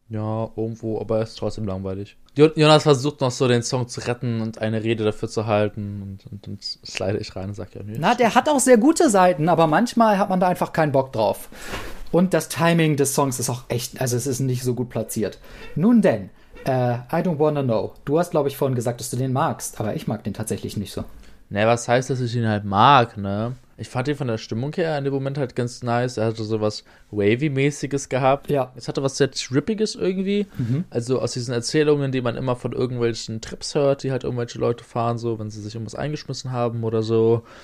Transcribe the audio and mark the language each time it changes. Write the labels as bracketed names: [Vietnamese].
[German] Ja, irgendwo, aber es ist trotzdem langweilig. Jonas versucht noch so, den Song zu retten und eine Rede dafür zu halten. Und dann slide ich rein und sage, ja, nee. Na, der hat auch sehr gute Seiten, aber manchmal hat man da einfach keinen Bock drauf. Und das Timing des Songs ist auch echt, also es ist nicht so gut platziert. [English] Nun denn, I don't wanna know. [German] Du hast, glaube ich, vorhin gesagt, dass du den magst, aber ich mag den tatsächlich nicht so. Ne, was heißt, dass ich ihn halt mag, ne? Ich fand ihn von der Stimmung her in dem Moment halt ganz nice. Er hatte so was Wavy-mäßiges gehabt. Ja. Es hatte was sehr Trippiges irgendwie. Mhm. Also aus diesen Erzählungen, die man immer von irgendwelchen Trips hört, die halt irgendwelche Leute fahren, so, wenn sie sich irgendwas eingeschmissen haben oder so.